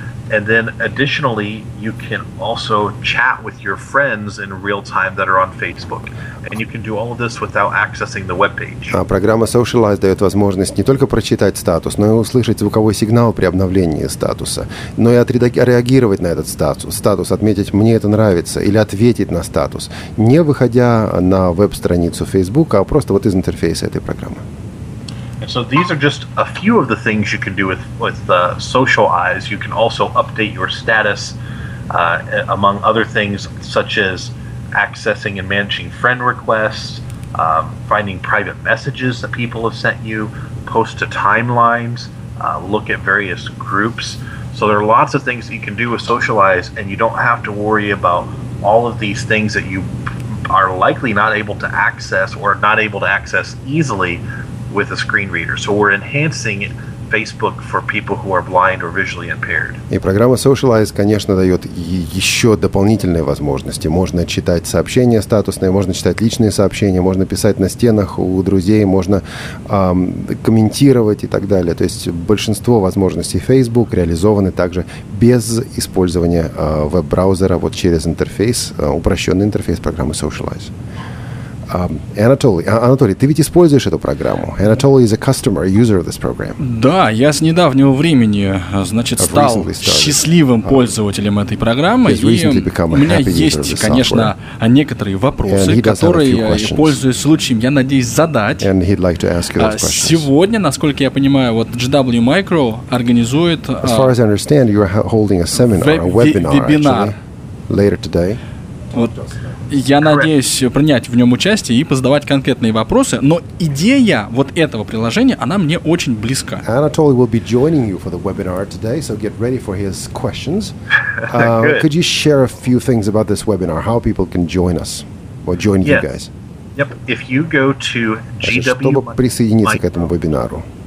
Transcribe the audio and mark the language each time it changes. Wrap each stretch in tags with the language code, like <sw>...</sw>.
<en>And then additionally, you can also chat with your friends in real time that are on Facebook. And you can do all of this without accessing the webpage.</en> <ru>Программа Socialize дает возможность не только прочитать статус, но и услышать звуковой сигнал при обновлении статуса, но и отреагировать на этот статус, отметить «мне это нравится» или ответить на статус, не выходя на веб-страницу Facebook, а просто вот из интерфейса этой программы.</ru> <en>So these are just a few of the things you can do with the Social Eyes. You can also update your status, among other things, such as accessing and managing friend requests, finding private messages that people have sent you, post to timelines, look at various groups. So there are lots of things that you can do with Social Eyes, and you don't have to worry about all of these things that you are likely not able to access or not able to access easily with a screen reader. So we're enhancing Facebook for people who are blind or visually impaired.</en> <ru>И программа Socialize, конечно, дает еще дополнительные возможности. Можно читать сообщения статусные, можно читать личные сообщения, можно писать на стенах у друзей, можно комментировать и так далее. То есть большинство возможностей Facebook реализованы также без использования веб-браузера вот через интерфейс, упрощенный интерфейс программы Socialize. Анатолий, ты ведь используешь эту программу.</ru> <en>Анатолий is a customer, a user of this program.</en> <ru>Да, я с недавнего времени, значит, стал счастливым пользователем этой программы. И у меня есть, конечно, некоторые вопросы, которые, пользуясь случаем, я надеюсь задать.</ru> <en>Like</en> <ru>сегодня, насколько я понимаю, вот GW Micro организует вебинар</ru> <en>later today.</en> <ru>Вот. Я надеюсь принять в нем участие и позадавать конкретные вопросы, но идея вот этого приложения, она мне очень близка.</ru> <en>Anatoly will be joining you for the webinar today, so get ready for his questions. Could you share a few things about this webinar, how people can join us, or join you guys? Yep, if you go to</en> <ru>Чтобы присоединиться к этому вебинару.</ru>